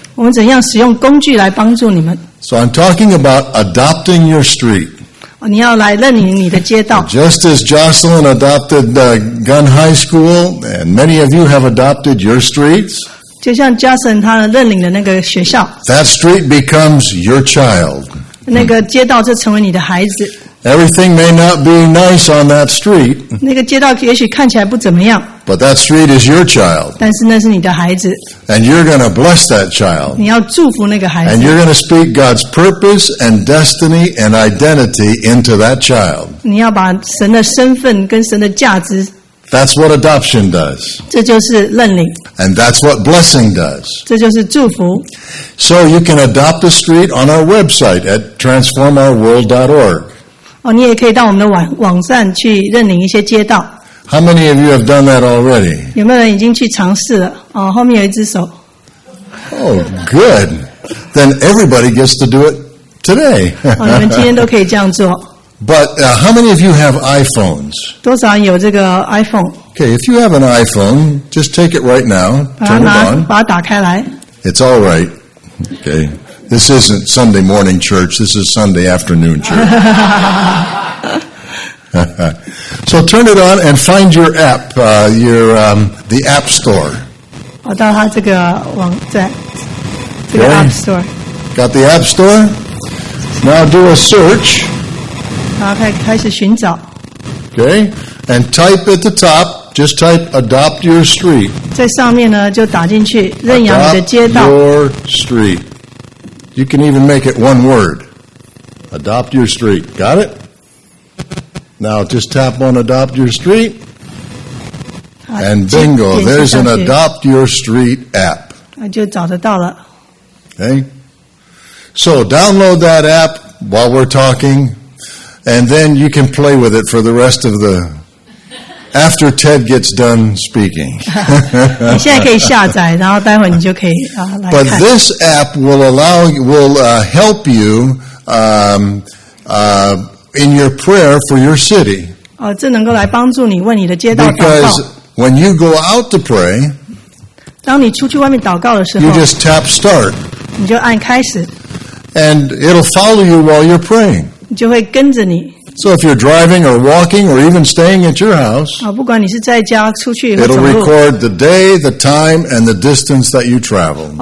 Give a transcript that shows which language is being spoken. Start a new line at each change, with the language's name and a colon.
Chinese: 我们怎样使用工具来帮助你们。
English: So I'm talking about adopting your street.
Chinese: 你要来认领你的街道。
English: Just as Jocelyn adopted Gunn High School, and many of you have adopted your streets.
Chinese: 就像 Jason 他认领的那个学校
English: That street becomes your child.
Chinese: 那个街道就成为你的孩子
English: Everything may not be nice on that street.
Chinese: 那个街道也许看起来不怎么样
English: But that street is your child.
Chinese: 但是那是你的孩子
English: And you're going to bless that child.
Chinese: 你要祝福那个孩子
English: And you're going to speak God's purpose and destiny and identity into that child.
Chinese: 你要把神的身份跟神的价值
English: That's what adoption does.
Chinese: 这就是认领。
English: And that's what blessing does.
Chinese: 这就是祝福。
English: So you can adopt a street on our website at transformourworld.org.
Chinese: 你也可以到我们的网站去认领一些街道。
English: How many of you have done that already?
Chinese: 有没有人已经去尝试了？后面有一只手。
English: Oh, good. Then everybody gets to do it today.
Chinese: 你们今天都可以这样做。
English: But how many of you have iPhones?
Chinese: 多少人有这个 iPhone?
English: Okay, if you have an iPhone, just take it right now, turn it on.
Chinese: 把它打开来。
English: It's all right. Okay, this isn't Sunday morning church. This is Sunday afternoon church. So turn it on and find your app, the App Store.
Chinese: 我到它这个网站，这个 App Store.
English: Got the App Store? Now do a search.
Chinese: 开始寻找。
English: Okay, and type at the top, just type adopt your street.
Chinese: 在上面呢就打进去认养你的街道。
English: Adopt your street. You can even make it one word. Adopt your street. Got it? Now just tap on adopt your street. And bingo, there's an adopt your street app.
Chinese: 就找得到了。
English: Okay. So download that app while we're talking. And then you can play with it for the rest of the... After Ted gets done speaking.
Chinese: 你现在可以下载然后待会你就可以来看。
English: But this app will help you in your prayer for your city.
Chinese: 这能够来帮助你为你的街道祷告。
English: Because when you go out to pray,
Chinese: 当你出去外面祷告的时候
English: you just tap start.
Chinese: 你就按开始。
English: And it'll follow you while you're praying.
Chinese: 就会跟着你。
English: So if you're driving or walking or even staying at your house,
Chinese: 不管你是在家、出去或走路
English: it'll record the day, the time, and the distance that you travel.